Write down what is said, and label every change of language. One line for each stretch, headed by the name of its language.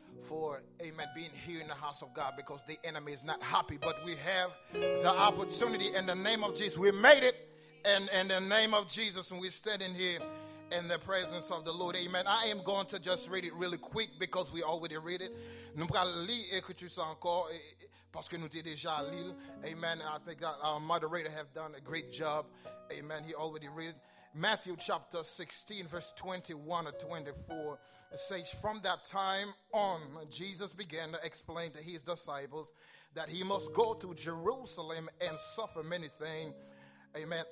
English: for, amen, being here in the house of God, because the enemy is not happy, but we have the opportunity in the name of Jesus. We made it in the name of Jesus, and we're standing here in the presence of the Lord. Amen. I am going to just read it really quick because we already read it.
French: Nous allons lire l'écriture encore parce que nous avons déjà lu.
English: Amen. And I think that our moderator has done a great job. Amen. He already read it. Matthew chapter 16, verse 21 to 24 says, from that time on, Jesus began to explain to his disciples that he must go to Jerusalem and suffer many things. Amen.